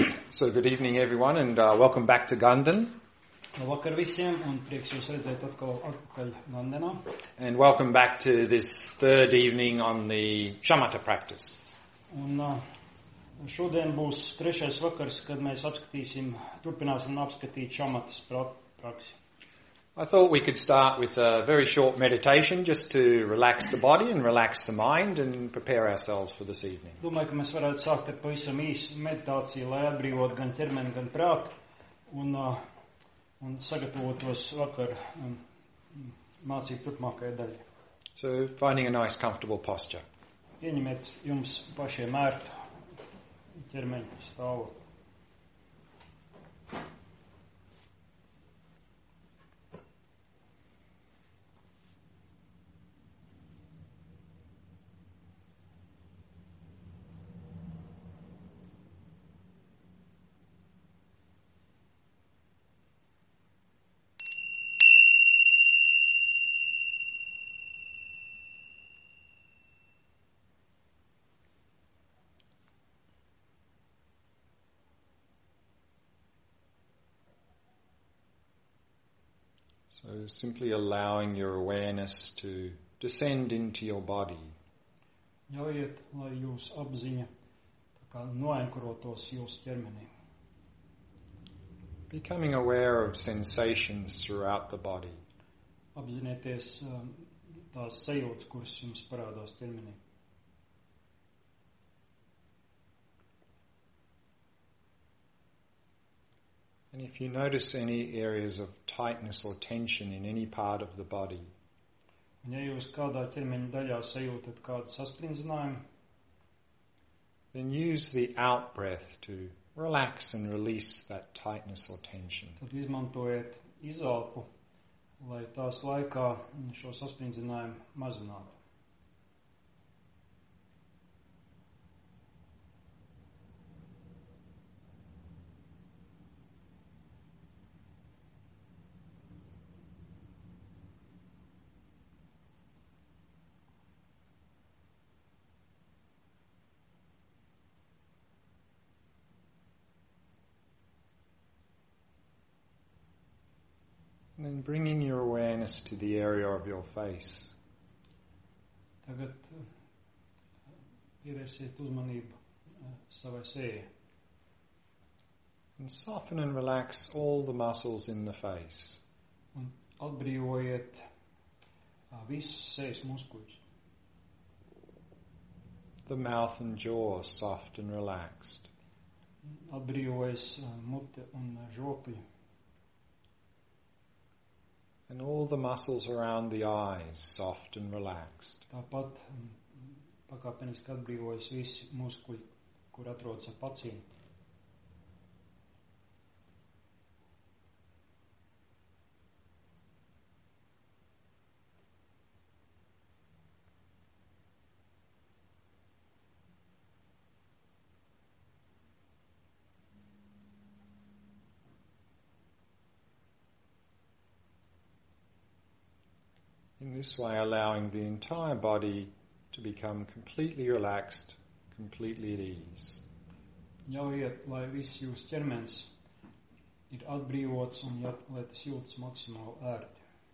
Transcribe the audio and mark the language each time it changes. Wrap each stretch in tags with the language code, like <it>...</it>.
<en>So good evening everyone and welcome back to Gundan.</en> <lv>Vakar visiem un prieks jūs redzēt atkal Gundanā.</lv> <en>And welcome back to this third evening on the shamatha practice.</en> <lv>Un šodien būs trešais vakars, kad mēs turpināsim apskatīt šamatas praksi.</lv> <en>I thought we could start with a very short meditation just to relax the body and relax the mind and prepare ourselves for this evening.</en> <lv>Domāju, ka mēs varētu sākt ar pavisam īsu meditāciju, lai atbrīvotu gan ķermeni, gan prātu un sagatavotos vakar mācību turpmākajai daļai.</lv> <en>So finding a nice comfortable posture.</en> <lv>Pieņemiet jums pašiem ērtu ķermeņu stāvokli.</lv> <en>So simply allowing your awareness to descend into your body.</en> <lv>Ļaujiet, lai jūs apziņa tā kā noenkurotos jūs ķermenī.</lv> <en>Becoming aware of sensations throughout the body.</en> <lv>Apzinieties tās sajūtas, kuras jums parādās ķermenī.</lv> <en>And if you notice any areas of tightness or tension in any part of the body,</en> <lv>un ja jūs kādā ķermeņa daļā sajūtat kādu sasprindzinājumu,</lv> <en>then use the out-breath to relax and release that tightness or tension.</en> <lv>Tad izmantojiet izelpu, lai tās laikā šo sasprindzinājumu mazinātu.</lv> <en>And bringing your awareness to the area of your face.</en> <lv>Tagad pievērsiet uzmanību savai sejai.</lv> <en>And soften and relax all the muscles in the face.</en> <lv>Un atbrīvojiet visus sejas muskuļus.</lv> <en>The mouth and jaw soft and relaxed.</en> <lv>Atbrīvojas mute un žopļi.</lv> <en>And all the muscles around the eyes, soft and relaxed.</en> <lv>Tāpat pakāpeniski atbrīvojas visi muskuļi, kur atrodas ap acīm.</lv> <en>In this way, allowing the entire body to become completely relaxed, completely at ease.</en> <lv>Ļaujiet, lai viss jūs ķermens ir atbrīvots un lai tas jūtas maksimāli ērti.</lv>